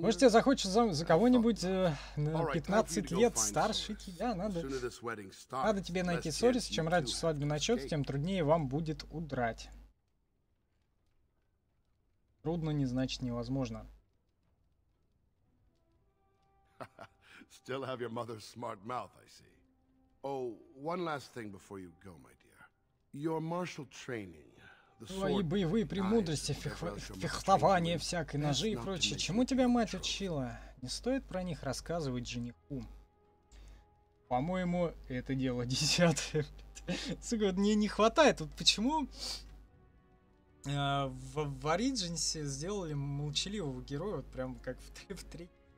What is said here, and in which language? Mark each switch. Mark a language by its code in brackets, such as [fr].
[ru] Может, я захочу за кого-нибудь на 15 лет старше тебя? Надо тебе найти Сорис. Чем раньше свадьба начнется, тем труднее вам будет удрать. Трудно не значит невозможно. [en] Still have your mother's smart mouth, I see. Oh, one last thing before you go, my dear. Your martial training, the sword, [ru] твои боевые премудрости, фехтование всякой, ножи и прочее, чему тебя мать учила? Не стоит про них рассказывать жениху. По-моему, это дело десятое. Сука, мне не хватает. Вот почему в Ориджинсе сделали молчаливого героя, вот прям как в 3-3.